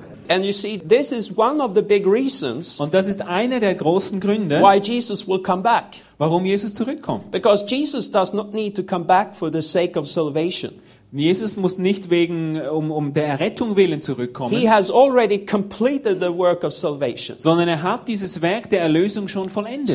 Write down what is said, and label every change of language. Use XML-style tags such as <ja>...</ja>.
<en>And you see, this is one of the big reasons,</en> <de>und das ist einer der großen Gründe,</de> <en>why Jesus will come back.</en> <de>Warum Jesus zurückkommt.</de> <en>Because Jesus does not need to come back for the sake of salvation.</en> <de>Jesus muss nicht wegen um der Errettung willen zurückkommen.</de> <en>He has already completed the work of salvation.</en> <de>Sondern hat dieses Werk der Erlösung schon vollendet.</de>